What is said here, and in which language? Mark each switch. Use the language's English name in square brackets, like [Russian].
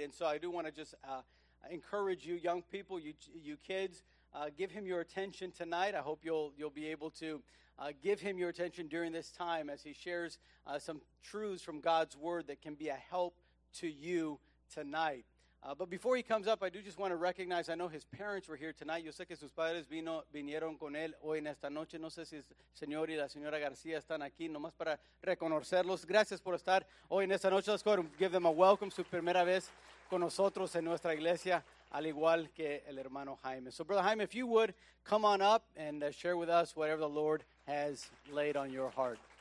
[English] And so I do want to just encourage you young people, you kids, give him your attention tonight. I hope you'll be able to give him your attention during this time as he shares some truths from God's word that can be a help to you tonight. But before he comes up, I do just want to recognize, I know his parents were here tonight. [Spanish] Yo sé que sus padres vinieron con él hoy en esta noche. No sé si el señor y la señora García están aquí, nomás para reconocerlos. Gracias por estar hoy en esta noche. [English] Let's go ahead and give them a welcome. [Spanish] Su primera vez con nosotros en nuestra iglesia, al igual que el hermano Jaime. [English] So, Brother Jaime, if you would, come on up and share with us whatever the Lord has laid on your heart.